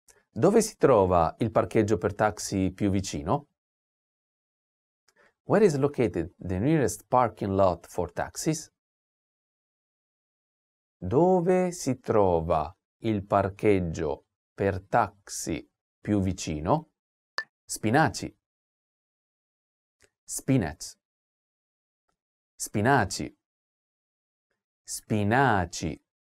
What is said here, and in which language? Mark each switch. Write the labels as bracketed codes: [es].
[it] Dove si trova il parcheggio per taxi più vicino? [en] Where is located the nearest parking lot for taxis? [it] Dove si trova il parcheggio per taxi più vicino? Spinaci. [en] Spinach. [it] Spinaci. Spinaci.